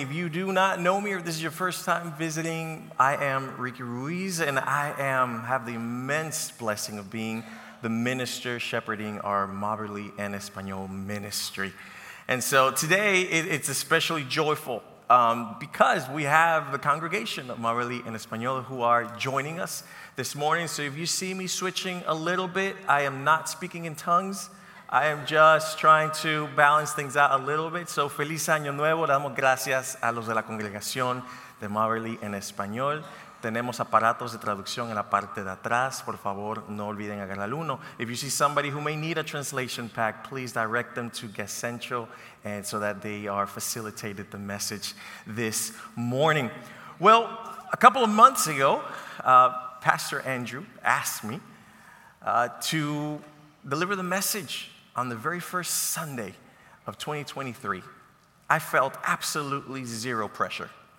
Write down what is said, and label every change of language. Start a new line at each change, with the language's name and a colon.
English: If you do not know me or this is your first time visiting, I am Ricky Ruiz, and I have the immense blessing of being the minister shepherding our Maverly en Español ministry. And so today, it's especially joyful because we have the congregation of Maverly en Español who are joining us this morning. So if you see me switching a little bit, I am not speaking in tongues. I am just trying to balance things out a little bit. So
Spanish: feliz año nuevo. Damos gracias a los de la congregación de Maverly en Español. Tenemos aparatos de traducción en la parte de atrás. Por favor, no olviden agarrar uno.
English: If you see somebody who may need a translation pack, please direct them to Guest Central and so that they are facilitated the message this morning. Well, a couple of months ago, Pastor Andrew asked me to deliver the message on the very first Sunday of 2023. I felt absolutely zero pressure.